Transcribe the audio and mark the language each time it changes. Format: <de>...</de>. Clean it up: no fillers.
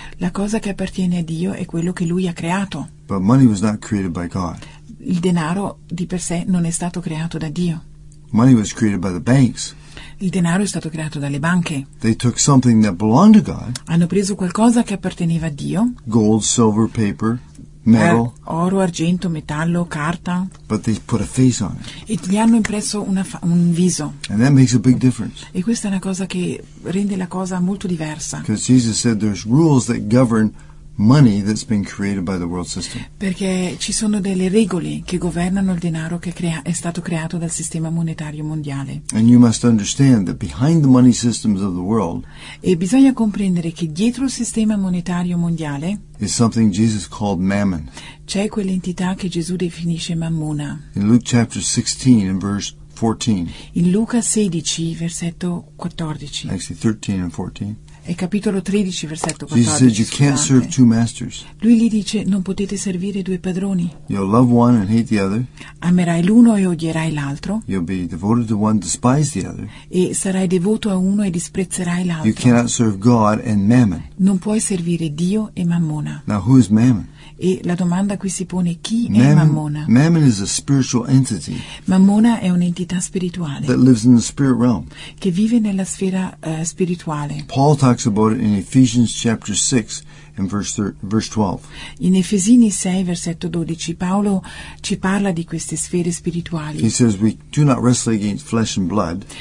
<it>La cosa che appartiene a Dio è quello che lui ha creato.</it> <en>But money was not created by God.</en> <it>Il denaro di per sé non è stato creato da Dio.</it> <en>Money was created by the banks.</en> <it>Il denaro è stato creato dalle banche.</it> <en>They took something that belonged to God.</en> <it>Hanno preso qualcosa che apparteneva a Dio.</it> <en>Gold, silver, paper. metal.</en> <it>Oro, argento, metallo, carta.</it> <en>But they put a face on it.</en> <it>E gli hanno impresso un viso.</it> <en>And that makes a big difference.</en> <it>E questa è una cosa che rende la cosa molto diversa.</it> <en>Because Jesus said there's rules that govern money that's been created by the world system.</en> <it>Perché ci sono delle regole che governano il denaro che è stato creato dal sistema monetario mondiale.</it> <en>And you must understand that behind the money systems of the world.</en> <it>E bisogna comprendere che dietro il sistema monetario mondiale</it> <en>is something Jesus called Mammon.</en> <it>C'è quell'entità che Gesù definisce Mammona.</it> <en>In Luke chapter 16 in verse 14.</en> <it>In Luca 16 versetto 14.</it> <en>Actually 13 and 14.</en> <it>È capitolo 13 versetto 14.</it> <en>Jesus said, you can't serve two masters.</en> <it>Lui gli dice non potete servire due padroni.</it> <en>You'll love one and hate the other.</en> <it>Amerai l'uno e odierai l'altro.</it> <en>You'll be devoted to one, despise the other.</en> <it>E sarai devoto a uno e disprezzerai l'altro.</it> <en>You cannot serve God and Mammon.</en> <it>Non puoi servire Dio e Mammona.</it> <en>Now who is Mammon?</en> <it>E la domanda qui si pone chi Mammon, è Mammona?</it> <en>Mammon is a spiritual entity.</en> <it>Mammona è un'entità spirituale.</it> <en>That lives in the spirit realm.</en> <it>Che vive nella sfera spirituale.</it> <en>Paul talks about it in Ephesians chapter 6 and verse 12.</en> <it>In Efesini 6 versetto 12 Paolo ci parla di queste sfere spirituali.</it> <en>He says we do not wrestle against flesh and blood.</en>